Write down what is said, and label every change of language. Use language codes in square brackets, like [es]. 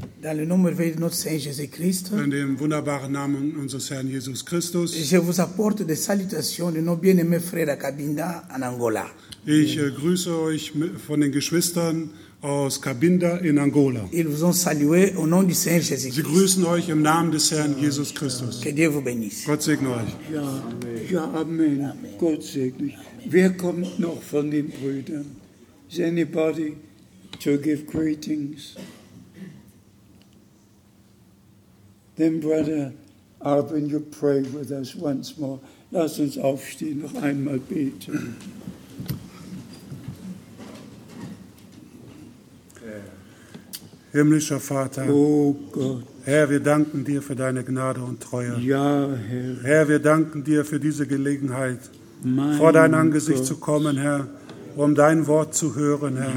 [fr] Dans le nom merveilleux de notre Saint Jésus Christ. [de] In dem wunderbaren Namen unseres Herrn Jesus Christus. [fr] Je vous apporte des salutations de nos bien-aimés frères à Cabinda en Angola. [de] Ich grüße euch von den Geschwistern aus Cabinda in Angola. [fr] Ils vous ont salué au nom du Saint Jésus Christ. [de] Sie grüßen euch im Namen des Herrn Jesus Christus. [fr] Que Dieu vous bénisse. [de] Gott segne euch. Ja, Amen. Ja, Amen. Amen. Gott segne euch. Wer kommt noch von den Brüdern? [en] Is anybody to give greetings? Then, Brother Arvin, you pray with us once more. [de] Lass uns aufstehen, noch einmal beten. Himmlischer Vater, oh Gott, Herr, wir danken dir für deine Gnade und Treue. Ja, Herr. Herr, wir danken dir für diese Gelegenheit, vor dein Angesicht zu kommen, Herr, um dein Wort zu hören, Herr.